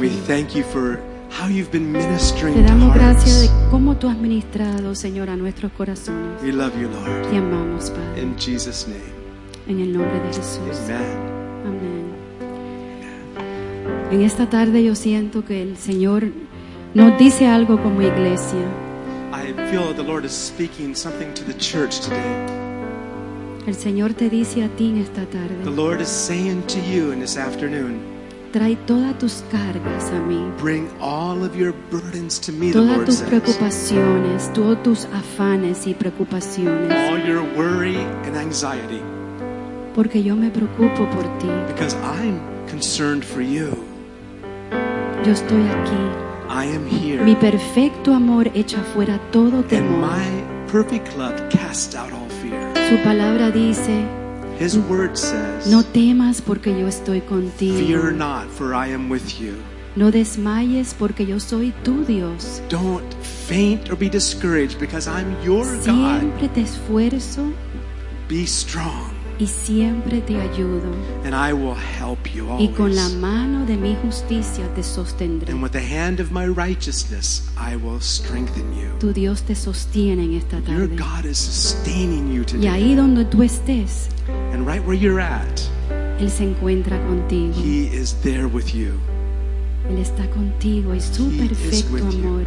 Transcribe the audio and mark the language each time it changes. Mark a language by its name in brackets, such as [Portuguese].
[English] We thank you for how you've been ministering. [Spanish] Te damos gracias de cómo tú has ministrado, Señor, a nuestros corazones. [English] We love you, Lord. [Spanish] Te amamos, Padre. [English] In Jesus' name. [Spanish] En el nombre de Jesús. [English] Amen. [Spanish] Amen. En esta tarde yo siento que el Señor nos dice algo como iglesia. [English] I feel the Lord is speaking something to the church today. [Spanish] El Señor te dice a ti en esta tarde. [English] The Lord is saying to you in this afternoon. [Spanish] Trae todas tus cargas a mí. [English] Bring all of your burdens to me, [Spanish] todas [English] the Lord [Spanish] tus [English] says. [Spanish] Preocupaciones, todos tus afanes y preocupaciones. [English] All your worry and anxiety. [Spanish] Porque yo me preocupo por ti. [English] Because I'm concerned for you. [Spanish] Yo estoy aquí. [English] I am here. [Spanish] Mi perfecto amor echa fuera todo temor. [English] And my perfect love casts out all fear. [Spanish] Su palabra dice, [English] His word says, [Spanish] no temas porque yo estoy contigo. [English] Fear not, for I am with you. [Spanish] No desmayes porque yo soy tu Dios. [English] Don't faint or be discouraged because I'm your [Spanish] Siempre [English] God. [Spanish] Te esfuerzo. [English] Be strong. [Spanish] Y siempre te ayudo. [English] And I will help you always. [Spanish] Y con la mano de mi justicia te sostendré. [English] And with the hand of my righteousness, I will strengthen you. [Spanish] Tu Dios te sostiene en esta tarde. [English] Your God is sustaining you today. [Spanish] Y ahí donde tú estés, [English] and right where you're at, [Spanish] Él se encuentra contigo. [English] He is there with you. [Spanish] Él está contigo y su perfecto amor.